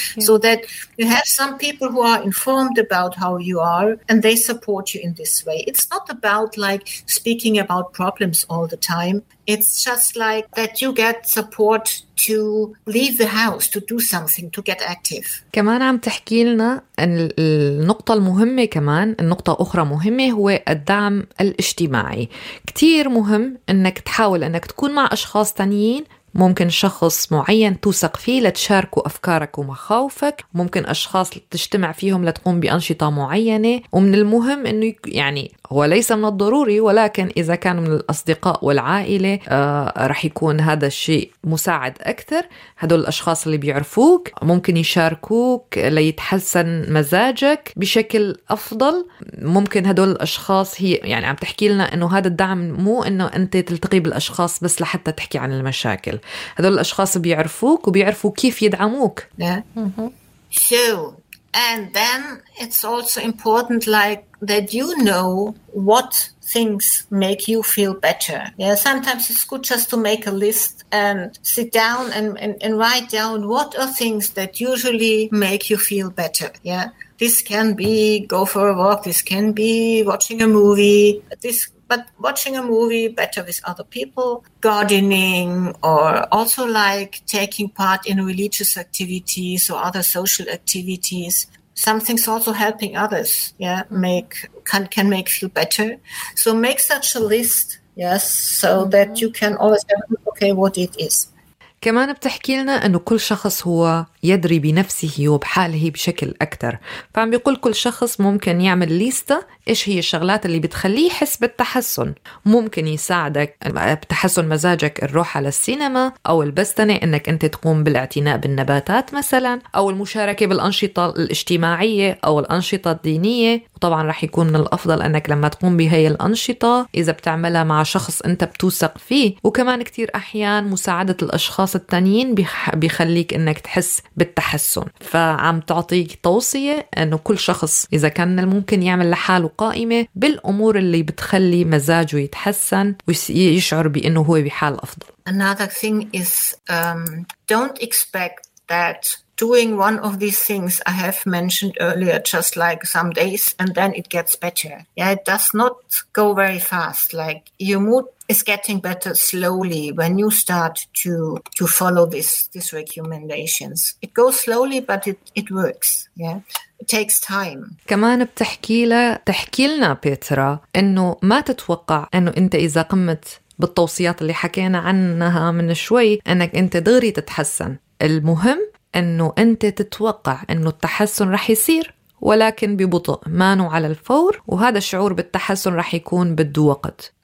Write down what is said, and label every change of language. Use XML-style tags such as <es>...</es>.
<en>So that you have some people who are informed about how you are and they support you in this way. It's not about like speaking about problems all the time. It's just like that you get support to leave the house, to do something, to get active.</en> <ar>كمان عم تحكي لنا النقطة المهمة كمان النقطة أخرى مهمة هو الدعم الاجتماعي. كتير مهم أنك تحاول أنك تكون مع أشخاص تانيين ممكن شخص معين توثق فيه لتشاركوا أفكارك ومخاوفك ممكن أشخاص تجتمع فيهم لتقوم بأنشطة معينة ومن المهم أنه يعني هو ليس من الضروري ولكن إذا كان من الأصدقاء والعائلة رح يكون هذا الشيء مساعد أكثر هدول الأشخاص اللي بيعرفوك ممكن يشاركوك ليتحسن مزاجك بشكل أفضل ممكن هدول الأشخاص هي يعني عم تحكي لنا أنه هذا الدعم مو أنه أنت تلتقي بالأشخاص بس لحتى تحكي عن المشاكل هذول الأشخاص بيعرفوك وبيعرفوا كيف يدعموك.</ar> <en>So and then it's also important like that you know what things make you feel better. Yeah, sometimes it's good just to make a list and sit down and write down what are things that usually make you feel better. Yeah, this can be go for a walk. This can be watching a movie. But watching a movie better with other people, gardening, or also like taking part in religious activities or other social activities. Some things also helping others, yeah, can make feel better. So make such a list, yes, so that you can always have, okay, what it is.</en> <ar>كمان بتحكي لنا أنه كل شخص هو يدري بنفسه وبحاله بشكل أكتر فعم بيقول كل شخص ممكن يعمل ليستة إيش هي الشغلات اللي بتخليه يحس بالتحسن ممكن يساعدك بتحسن مزاجك الروح على السينما أو البستنة أنك أنت تقوم بالاعتناء بالنباتات مثلا أو المشاركة بالأنشطة الاجتماعية أو الأنشطة الدينية وطبعا رح يكون من الأفضل أنك لما تقوم بهاي الأنشطة إذا بتعملها مع شخص أنت بتوثق فيه وكمان كتير أحيان مساعدة الأشخاص خاصة التانيين بيخليك انك تحس بالتحسن فعم تعطيك توصية انه كل شخص اذا كان ممكن يعمل لحاله قائمة بالامور اللي بتخلي مزاجه يتحسن ويشعر بانه هو بحال افضل</ar> <en>Another thing is don't expect that doing one of these things I have mentioned earlier just like some days and then it gets better yeah it does not go very fast like your mood is getting better slowly when you start to follow this recommendations it goes slowly but it works yeah it takes time</en> <ar>كمان بتحكي لنا بيترا انه ما تتوقع انه انت اذا قمت بالتوصيات اللي حكينا عنها من شوي انك انت دغري تتحسن المهم أنه أنت تتوقع أنه التحسن رح يصير ولكن ببطء مانو على الفور وهذا الشعور بالتحسن رح يكون بده وقت</ar>